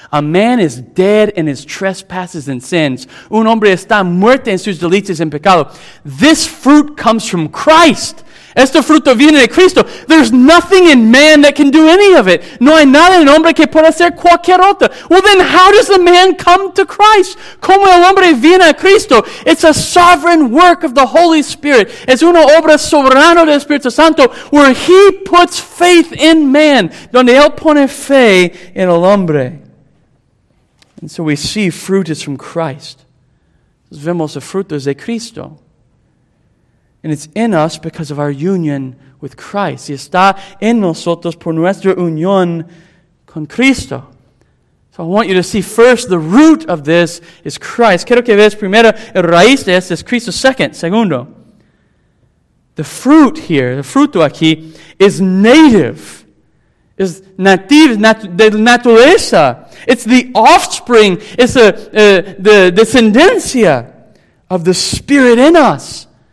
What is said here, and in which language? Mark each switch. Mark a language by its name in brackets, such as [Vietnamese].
[English] A man is dead in his trespasses and sins. [Spanish] Un hombre está muerto en sus delitos y pecado. [English] This fruit comes from Christ. [Spanish] Este fruto viene de Cristo. [English] There's nothing in man that can do any of it. [Spanish] No hay nada en hombre que pueda hacer cualquier otra. [English] Well, then how does the man come to Christ? [Spanish] ¿Cómo el hombre viene a Cristo? [English] It's a sovereign work of the Holy Spirit. [Spanish] Es una obra soberana del Espíritu Santo [English] where he puts faith in man. [Spanish] Donde él pone fe en el hombre. [English] And so we see fruit is from Christ. [Spanish] Vemos el fruto es de Cristo. [English] And it's in us because of our union with Christ. [Spanish] Y está en nosotros por nuestra unión con Cristo. [English] So I want you to see first the root of this is Christ. [Spanish] Quiero que veas primero el raíz de esto es Cristo. Segundo. [English] The fruit here, the [Spanish] fruto aquí, [English] is native. Is native, [Spanish] de naturaleza. [English] It's the offspring. It's the descendencia of the Spirit in us.